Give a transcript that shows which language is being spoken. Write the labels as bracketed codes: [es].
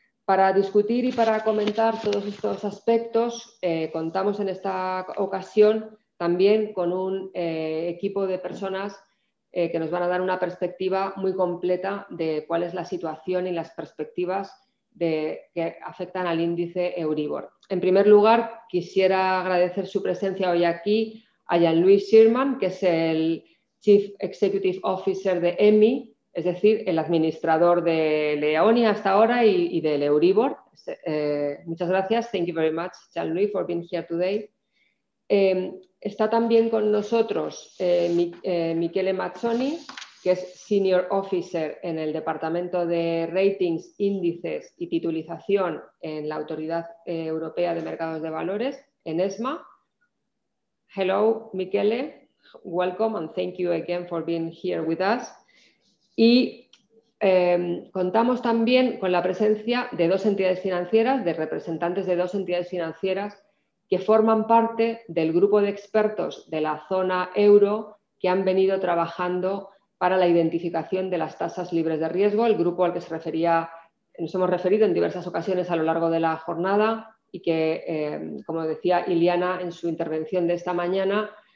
[es] Para discutir y para comentar todos estos aspectos, contamos en esta ocasión también con un equipo de personas que nos van a dar una perspectiva muy completa de cuál es la situación y las perspectivas que afectan al índice Euribor. En primer lugar, quisiera agradecer su presencia hoy aquí a Jean-Louis Schirman, que es el Chief Executive Officer de EMI, es decir, el administrador de Leonia hasta ahora y del Euribor. Muchas gracias. [en] Thank you very much, Jean-Louis, for being here today. [es] Está también con nosotros Michele Mazzoni, que es Senior Officer en el Departamento de Ratings, Índices y Titulización en la Autoridad Europea de Mercados de Valores, en ESMA. [en] Hello, Michele. Welcome and thank you again for being here with us. [es] Y contamos también con la presencia de dos entidades financieras, de representantes de dos entidades financieras que forman parte del grupo de expertos de la zona euro que han venido trabajando para la identificación de las tasas libres de riesgo, el grupo al que se refería, nos hemos referido en diversas ocasiones a lo largo de la jornada y que, como decía Iliana en su intervención de esta mañana,